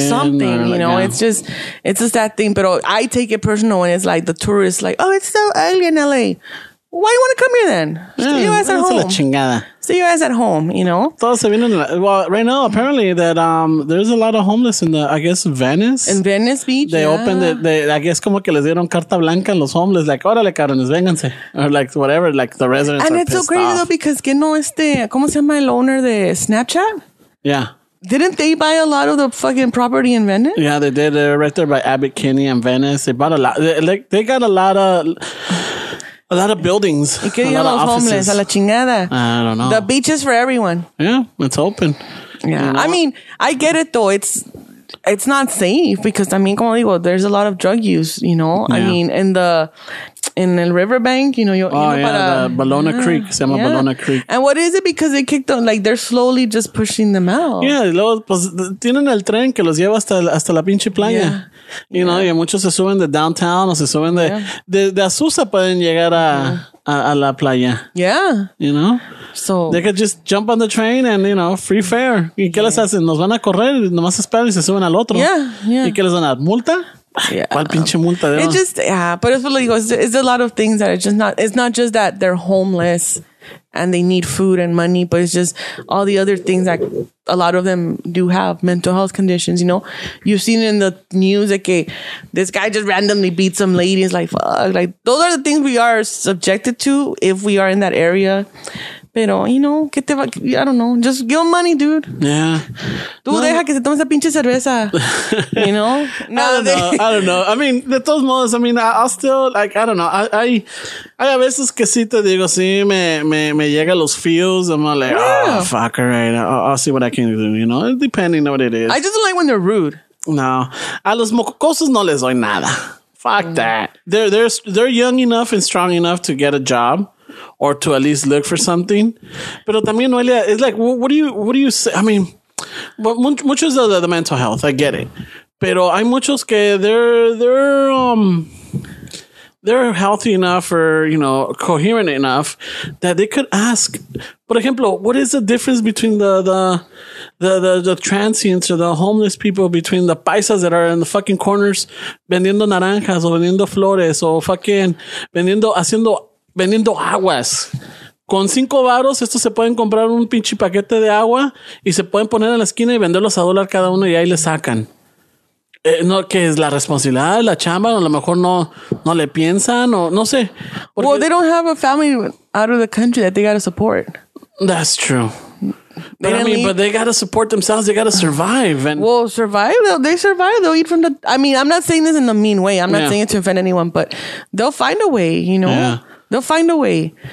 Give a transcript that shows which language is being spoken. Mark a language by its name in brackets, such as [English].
[English] Something, or, you know, it's just, it's a sad thing. But I take it personal when it's like the tourists like, oh, it's so ugly in L.A. Why you want to come here then? Stay your ass at home. [Spanish] La chingada. [English] Stay your ass at home, you know? Well, right now, apparently, that there's a lot of homeless in the, I guess, Venice. In Venice Beach, they opened it. I guess, [Spanish] como que les dieron carta blanca a los homeless. [English] Like, [Spanish] órale, carones, vénganse. [English] Or like, whatever, like the residents and are pissed. And it's so crazy, off. Though, because [Spanish] que no este, ¿cómo se llama el owner de Snapchat? [English] Yeah. Didn't they buy a lot of the fucking property in Venice? Yeah, they did. They're right there by Abbott Kinney and Venice. They bought a lot. They got a lot of... A lot of buildings. [Spanish] ¿Y qué dijo los homeless? A la chingada. [English] I don't know. The beach is for everyone. Yeah, it's open. Yeah. You know? I mean, I get it though. It's not safe because, I mean, [Spanish] como digo, [English] there's a lot of drug use, you know? Yeah. I mean, in the riverbank, you know, [Spanish] Bologna Creek. Se llama Bologna Creek. [English] And what is it? Because they kicked them, like, they're slowly just pushing them out. [Spanish] Yeah, luego, pues, tienen el tren que los lleva hasta la pinche playa. [English] Yeah. You know, [Spanish] y muchos se suben de downtown o se suben de Azusa pueden llegar a la playa. [English] Yeah. You know? So. They could just jump on the train and, you know, free fare. [Spanish] ¿Y qué les hacen? Nos van a correr, nomás esperan y se suben al otro. [English] Yeah. [Spanish] ¿Y qué les van a dar? ¿Multa? [English] Yeah. [Spanish] ¿Cuál pinche multa? [English] It's just, yeah, but it's really, it's a lot of things that are just not, it's not just that they're homeless and they need food and money, but it's just all the other things that a lot of them do have, mental health conditions, you know? You've seen in the news that okay, this guy just randomly beat some ladies, like, fuck. Like, those are the things we are subjected to if we are in that area. [Spanish] Pero, [English] you know, [Spanish] que te va, [English] I don't know, just give them money, dude. Yeah. [Spanish] Tú no. Deja que se tome esa pinche cerveza, [English] you know? I don't know. I mean, [Spanish] de todos modos, [English] I mean, I'll still, like, I don't know. [Spanish] Hay a veces que sí te digo, sí, me llega [English] los feels. I'm like, oh, fuck, all right. I'll see what I can do, you know? Depending on what it is. I just don't like when they're rude. [Spanish] No. A los mococosos no les doy nada. [English] Fuck that. They're young enough and strong enough to get a job. Or to at least look for something. [Spanish] Pero también, [English] Noelia, it's like, what do you say? I mean, but muchos of the mental health, I get it. [Spanish] Pero hay muchos que [English] they're healthy enough or, you know, coherent enough that they could ask, [Spanish] por ejemplo, [English] what is the difference between the transients or the homeless people between the paisas that are in the fucking corners [Spanish] vendiendo naranjas o vendiendo flores o fucking vendiendo aguas. Con 5 varos, estos se pueden comprar un pinche paquete de agua y se pueden poner en la esquina y venderlos a dólar cada uno y ahí le sacan. No, que es la responsabilidad de la chamba, o a lo mejor no le piensan, o no sé. Porque, [English] well, they don't have a family out of the country that they gotta support. That's true. But they gotta support themselves. They gotta survive. And well, survive. They survive. They'll eat from the. I mean, I'm not saying this in a mean way. I'm not saying it to offend anyone, but they'll find a way, you know? Yeah. They'll find a way.